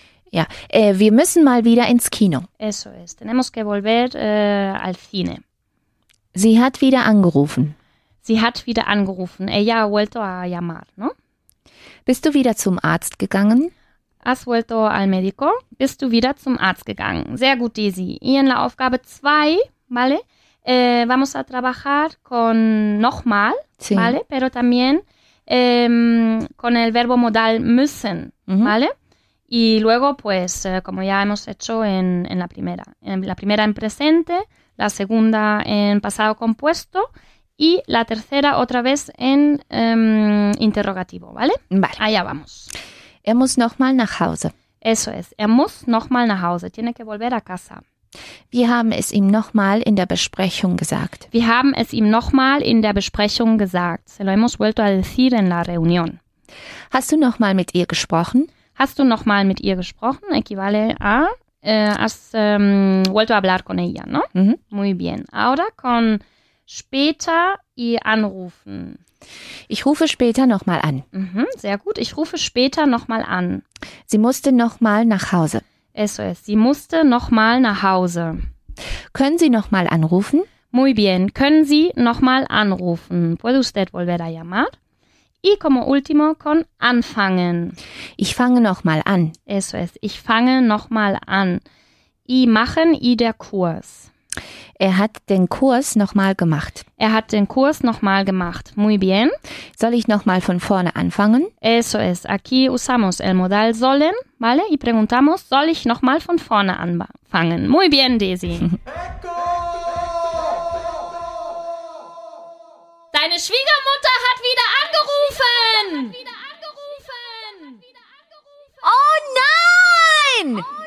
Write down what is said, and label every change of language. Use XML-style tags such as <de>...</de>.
<de>Ja, wir müssen mal wieder ins Kino.</de> <es>Eso es. Tenemos que volver al cine.</es> <de>Sie hat wieder angerufen. Sie hat wieder angerufen.</de> <es>Ella ha vuelto a llamar, ¿no?</es> <de>Bist du wieder zum Arzt gegangen?</de> <es>Has vuelto al médico.</es> <de>Bist du wieder zum Arzt gegangen? Sehr gut,</de> <es>Daisy. Y en la Aufgabe 2, ¿vale? Vamos a trabajar con nochmal, sí. ¿Vale? Pero también con el verbo modal müssen, uh-huh. ¿Vale? Y luego, pues, como ya hemos hecho en la primera. En la primera en presente, la segunda en pasado compuesto y la tercera otra vez en interrogativo, ¿vale? Vale. Allá vamos.</es> <de>Muss nochmal nach Hause.</de> <es>Eso es.</es> <de>Muss nochmal nach Hause.</de> <es>Tiene que volver a casa.</es> <de>Wir haben es ihm nochmal in der Besprechung gesagt. Wir haben es ihm nochmal in der Besprechung gesagt.</de> <es>Se lo hemos vuelto a decir en la reunión.</es> <de>Hast du nochmal mit ihr gesprochen? Hast du nochmal mit ihr gesprochen?</de> <es>Equivale a vuelto a hablar con ella, ¿no? Mhm. Muy bien. Ahora con später y anrufen.</es> <de>Ich rufe später nochmal an. Mhm, sehr gut. Ich rufe später nochmal an. Sie musste nochmal nach Hause.</de> <es>Eso es.</es> <de>Sie musste nochmal nach Hause. Können Sie nochmal anrufen?</de> <es>Muy bien.</es> <de>Können Sie nochmal anrufen?</de> <es>¿Puede usted volver a llamar? Y como último con anfangen.</es> <de>Ich fange nochmal an.</de> <es>Eso es.</es> <de>Ich fange nochmal an. Y machen y der Kurs. Er hat den Kurs nochmal gemacht. Er hat den Kurs nochmal gemacht.</de> <es>Muy bien.</es> <de>Soll ich nochmal von vorne anfangen?</de> <es>Eso es. Aquí usamos el modal sollen, ¿vale? Y preguntamos,</es> <de>soll ich nochmal von vorne anfangen?</de> <es>Muy bien, Daisy. Echo!</es> <de>Deine Schwiegermutter hat wieder angerufen! Oh nein!</de>